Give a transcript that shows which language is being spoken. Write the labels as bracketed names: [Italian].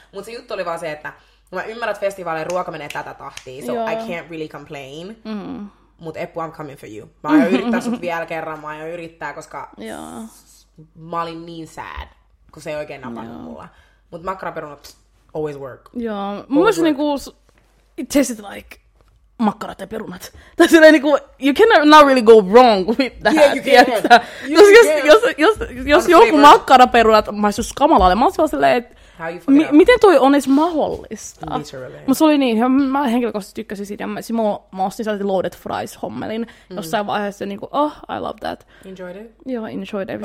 [Finnish] Mut se juttu oli vaan se, että kun mä ymmärrän, että festivaaleen ruoka menee tätä tahtia, [English] so I can't really complain. [Finnish] Mut Eppu, [English] I'm coming for you. [Finnish] Mä aion yrittää sut vielä kerran, koska joo. Mä olin niin sad. kun se ei oikein napannut mulla. Mutta makkaraperunat [English] always work. [Finnish] Joo, mun mielestä niinku, [English] it tasted like [Finnish] makkarat ja perunat. Tai silleen niinku, [English] you cannot not really go wrong with that. Yeah, you can. [Finnish] Jos joku makkaraperunat maistuisi kamalalle, mä olisin silleen, että miten toi on edes mahdollista? [English] Literally. [Finnish] Mutta se oli niin, mä henkilökohtaisesti tykkäsin siitä. Mä ostin sieltä loaded fries hommelin jossain vaiheessa. [English] Niin kuin, oh, I love that. Enjoyed it? Joo, enjoyed it.